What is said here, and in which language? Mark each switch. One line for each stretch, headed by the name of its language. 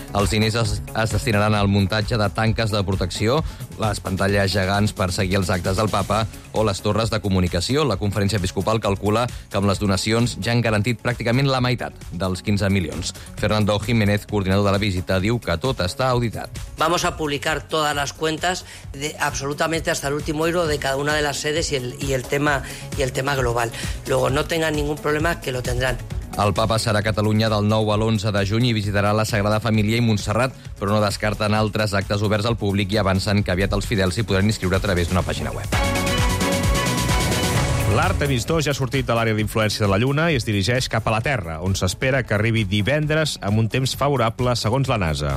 Catalan: Els diners es destinaran al muntatge de tanques de protecció, les pantalles gegants per seguir els actes del Papa o les torres de comunicació. La Conferència Episcopal calcula que amb les donacions ja han garantit pràcticament la meitat dels 15 milions. Fernando Jiménez, coordinador de la visita, diu que tot està auditat.
Spanish: Vamos a publicar todas las cuentas de absolutamente hasta el último euro de cada una de las sedes y el tema global. Luego no tengan ningún problema, que lo tendrán.
Catalan: El Papa serà a Catalunya del 9 al 11 de juny i visitarà la Sagrada Família i Montserrat, però no descarten altres actes oberts al públic i avancen que aviat els fidels s'hi podran inscriure a través d'una pàgina web. L'Artemis 2 ja ha sortit de l'àrea d'influència de la Lluna i es dirigeix cap a la Terra, on s'espera que arribi divendres amb un temps favorable, segons la NASA.